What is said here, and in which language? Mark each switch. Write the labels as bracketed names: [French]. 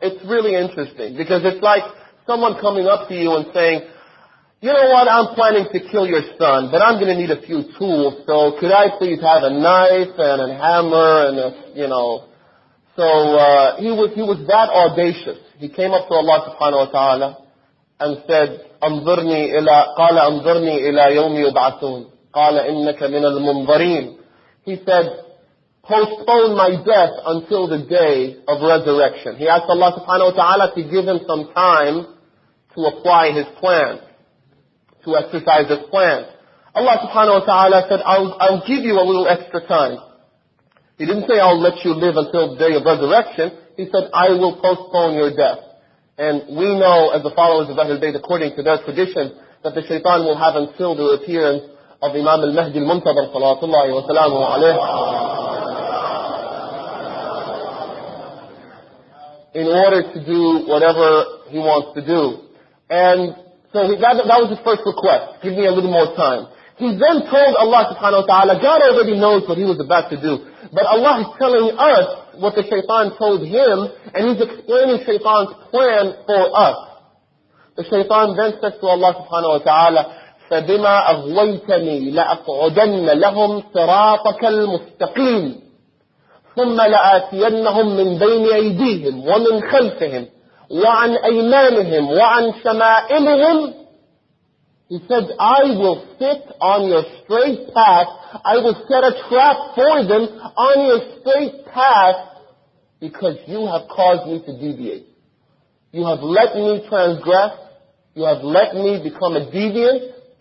[English] It's really interesting, because it's like someone coming up to you and saying, you know what, I'm planning to kill your son, but I'm going to need a few tools, so could I please have a knife and a hammer and a, you know. So he was that audacious. He came up to Allah subhanahu wa ta'ala and said, [Arabic] أَنظُرْنِي إِلَىٰ قَالَ أَنظُرْنِي إِلَىٰ يَوْمِ يُبْعَثُونَ قَالَ إِنَّكَ مِنَ الْمُنظَرِينَ. [English] He said, postpone my death until the day of resurrection. He asked Allah subhanahu wa ta'ala to give him some time to apply his plan, to exercise his plan. Allah subhanahu wa ta'ala said, I'll give you a little extra time. He didn't say, I'll let you live until the day of resurrection. He said, I will postpone your death. And we know, as the followers of Ahlul Bayt, according to their tradition, that the shaitan will have until the appearance of Imam al-Mahdi al-Muntadhar, salatullahi wa salamu alayhi, in order to do whatever he wants to do. And so that was his first request. Give me a little more time. He then told Allah subhanahu wa ta'ala, God already knows what he was about to do. But Allah is telling us what the shaitan told him, and he's explaining shaitan's plan for us. The shaitan then says to Allah subhanahu wa ta'ala, [Arabic] فَبِمَا أَغْوَيْتَنِي لَأَقْعُدَنَّ لَهُمْ صِرَاطَكَ الْمُسْتَقِيمِ ثُمَّ لَآتِيَنَّهُمْ مِنْ بَيْنِ أَيْدِيهِمْ وَمِنْ خَلْفِهِمْ وَعَنْ أَيْمَانِهِمْ وَعَنْ شَمَائِلِهِمْ. [English] He said, I will sit on your straight path. I will set a trap for them on your straight path because you have caused me to deviate. You have let me transgress. You have let me become a deviant.